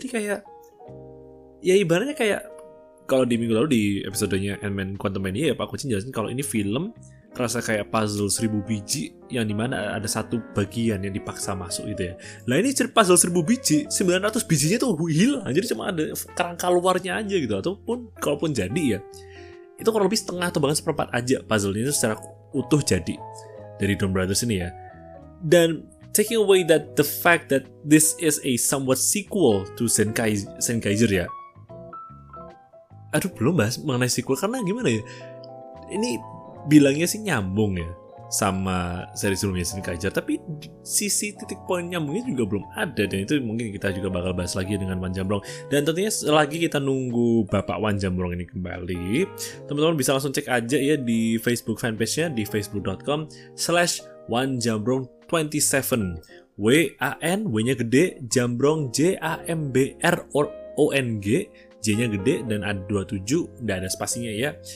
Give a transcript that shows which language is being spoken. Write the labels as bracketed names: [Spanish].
[Indonesian] Jadi kayak ya ibaratnya kayak kalau di minggu lalu di episodenya Ant-Man Quantum Mania ya, Pak Kucing jelasin kalau ini film rasa kayak puzzle 1000 biji yang dimana ada satu bagian yang dipaksa masuk gitu ya. Nah ini puzzle 1000 biji, 900 bijinya tuh hilang, jadi cuma ada kerangka luarnya aja gitu. Ataupun kalaupun jadi ya, itu kurang lebih setengah atau bahkan seperempat aja puzzle-nya itu secara utuh jadi dari Don Brothers ini ya. [English] Dan taking away that the fact that this is a somewhat sequel to Senkaiser ya. [Indonesian] Aduh, belum bahas mengenai sequel karena gimana ya, ini bilangnya sih nyambung ya sama seri sebelumnya Senkaiser, tapi sisi titik poin nyambungnya juga belum ada. Dan itu mungkin kita juga bakal bahas lagi dengan Wan Jambrong. Dan tentunya selagi kita nunggu Bapak Wan Jambrong ini kembali, teman-teman bisa langsung cek aja ya di Facebook fanpage-nya di facebook.com/wanjambrong27, WAN, W-nya gede, Jambrong, JAMBRONG, J-nya gede dan ada 27, enggak ada spasinya ya.